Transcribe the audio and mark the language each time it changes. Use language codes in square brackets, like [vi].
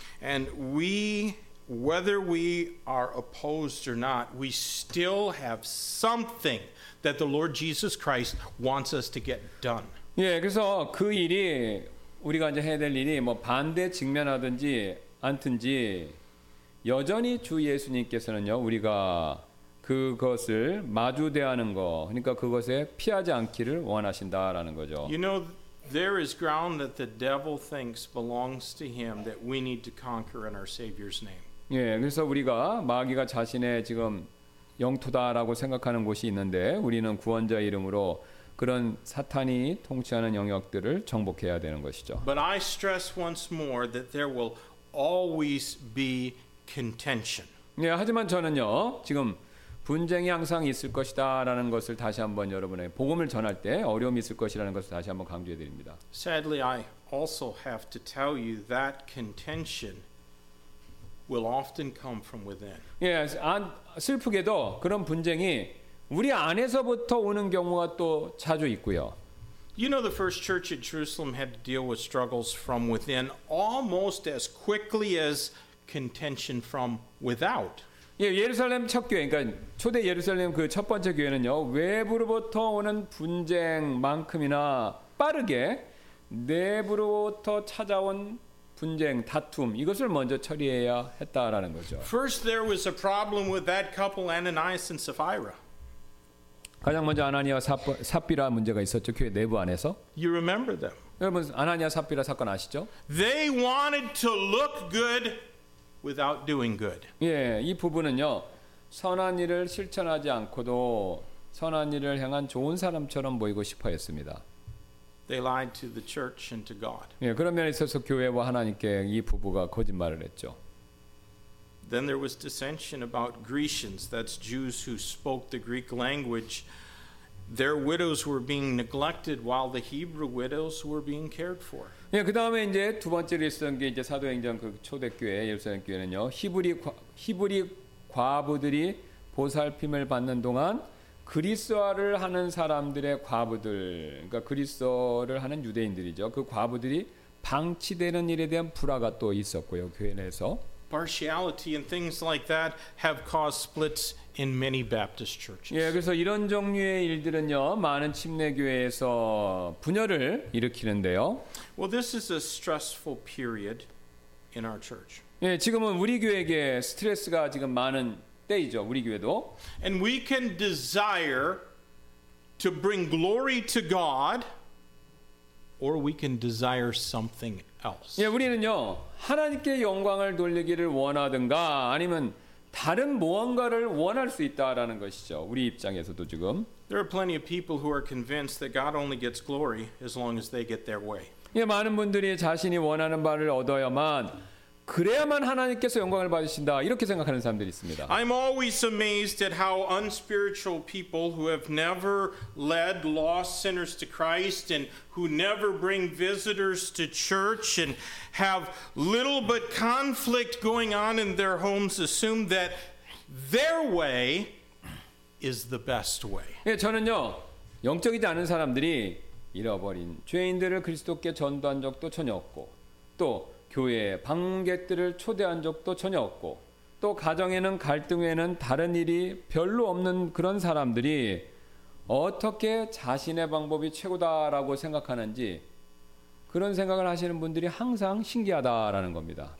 [en] And we, whether we are opposed or not, we still have something that the Lord Jesus Christ wants us to get done. [ko] 예, 그래서 그 일이 우리가 이제 해야 될 일이 뭐 반대 직면하든지 아무튼지 여전히 주 예수님께서는요 우리가 그것을 마주대하는 거 그러니까 그것에 피하지 않기를 원하신다라는 거죠. [en] You know there is ground that the devil thinks belongs to him that we need to conquer in our Savior's name. [ko] 예, 그래서 우리가 마귀가 자신의 지금 영토다라고 생각하는 곳이 있는데 우리는 구원자 이름으로 그런 사탄이 통치하는 영역들을 정복해야 되는 것이죠. [en] But I stress once more that there will always be contention. [ko] 예, 하지만 저는요 지금 분쟁이 항상 있을 것이다 라는 것을 다시 한번 여러분에게 복음을 전할 때 어려움이 있을 것이라는 것을 다시 한번 강조해 드립니다. [en] Sadly, I also have to tell you that contention will often come from within. [ko] Yes, 슬프게도 그런 분쟁이 우리 안에서부터 오는 경우가 또 자주 있고요. [en] You know, the first church at Jerusalem had to deal with struggles from within almost as quickly as contention from without. [ko] 예, 예루살렘 첫 교회, 그러니까 초대 예루살렘 그 첫 번째 교회는요, 외부로부터 오는 분쟁만큼이나 빠르게 내부로부터 찾아온 분쟁, 다툼, 이것을 먼저 처리해야 했다라는 거죠. [en] First, there was a problem with that couple, Ananias and Sapphira. [ko] 가장 먼저 아나니아와 삽비라 문제가 있었죠, 교회 내부 안에서. [en] You remember them. [ko] 여러분, 아나니아 삽비라 사건 아시죠? [en] They wanted to look good without doing good. [ko] 예, 이 부분은요, 선한 일을 실천하지 않고도 선한 일을 행한 좋은 사람처럼 보이고 싶어했습니다. [en] They lied to the church and to God. [ko] 예, 그런 면에 있어서 교회와 하나님께 이 부부가 거짓말을 했죠. [en] Then there was dissension about Grecians, that's Jews who spoke the Greek language. Their widows were being neglected while the Hebrew widows were being cared for. [ko] 예, 그다음에 이제 두 번째로 있었던 게 이제 사도행전 그 초대교회 예루살렘 교회는요. 히브리 과부들이 보살핌을 받는 동안 그리스어를 하는 사람들의 과부들, 그러니까 그리스어를 하는 유대인들이죠. 그 과부들이 방치되는 일에 대한 불화가 또 있었고요. 교회 내에서 [en] partiality and things like that have caused splits in many Baptist churches. [ko] 예, 그래서 이런 종류의 일들은요, 많은 침례교회에서 분열을 일으키는데요. [en] Well, this is a stressful period in our church. [ko] 예, 지금은 우리 교회에게 스트레스가 지금 많은 때이죠, 우리 교회도. [en] And we can desire to bring glory to God, or we can desire something else. [ko] 예, 우리는요, 하나님께 영광을 돌리기를 원하든가 아니면 다른 무언가를 원할 수 있다라는 것이죠. 우리 입장에서도 지금. [en] There are plenty of people who are convinced that God only gets glory as long as they get their way. [ko] 예, 많은 분들이 자신이 원하는 바를 얻어야만 그래야만 하나님께서 영광을 받으신다 이렇게 생각하는 사람들이 있습니다. [en] I'm always amazed at how unspiritual people who have never led lost sinners to Christ and who never bring visitors to church and have little but conflict going on in their homes assume that their way is the best way. [ko] 예, 저는요 영적이지 않은 사람들이 잃어버린 죄인들을 그리스도께 전도한 적도 전혀 없고 또 교회에 방문객들을 초대한 적도 전혀 없고 또 가정에는 갈등 외에는 다른 일이 별로 없는 그런 사람들이 어떻게 자신의 방법이 최고다라고 생각하는지 그런 생각을 하시는 분들이 항상 신기하다라는 겁니다.